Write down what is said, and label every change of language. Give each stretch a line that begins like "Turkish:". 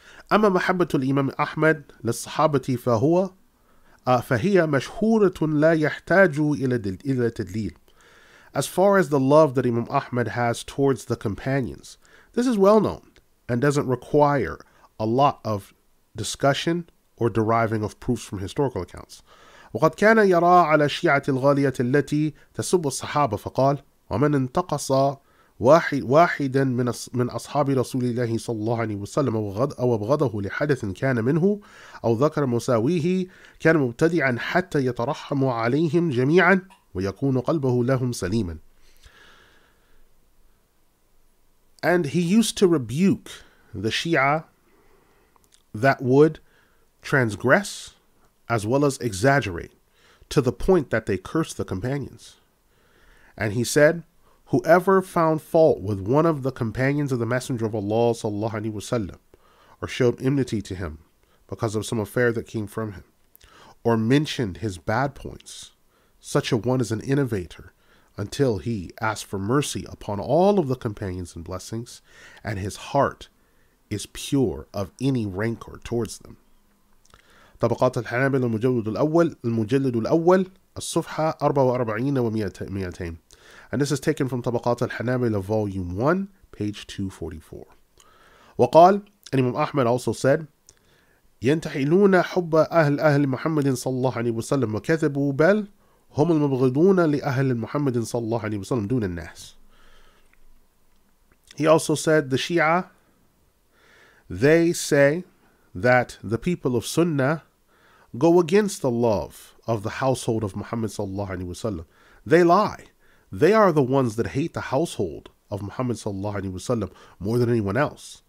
Arabic: أَمَّا مَحَبَّةُ الْإِمَامِ أَحْمَدْ لَلصَّحَابَةِ فَهِيَ مَشْهُورَةٌ لَا يَحْتَاجُ إِلَى تَدْلِيلٍ.
English: As far as the love that Imam Ahmad has towards the companions, this is well known and doesn't require a lot of discussion or deriving of proofs from historical accounts.
Arabic: وقد كان يرى على الشيعة الغالية التي تسب الصحابة فقال ومن انتقص واحدا من أصحاب رسول الله صلى الله عليه وسلم أو أبغضه لحدث كان منه أو ذكر مساويه كان مبتدعا حتى يترحم عليهم جميعا ويكون قلبه لهم سليما.
English: And he used to rebuke the Shia that would transgress as well as exaggerate to the point that they cursed the companions. And he said, whoever found fault with one of the companions of the Messenger of Allah sallallahu alaihi wasallam, or showed enmity to him because of some affair that came from him, or mentioned his bad points, such a one is an innovator until he asks for mercy upon all of the companions and blessings, and his heart is pure of any rancor towards them.
Arabic: طبقات الحنابل المجلد الأول الصفحة 44 و200.
English: And this is taken from طبقات الحنابل volume 1 page 244.
Arabic: وقال أن
English: Imam Ahmad also said
Arabic: ينتحلون حب أهل محمد صلى الله عليه وسلم وكذبوا بل هم المبغضون لأهل محمد صلى الله عليه وسلم دون الناس.
English: He also said the Shia, they say that the people of Sunnah go against the love of the household of Muhammad sallallahu alaihi wasallam. They lie. They are the ones that hate the household of Muhammad sallallahu alaihi wasallam more than anyone else.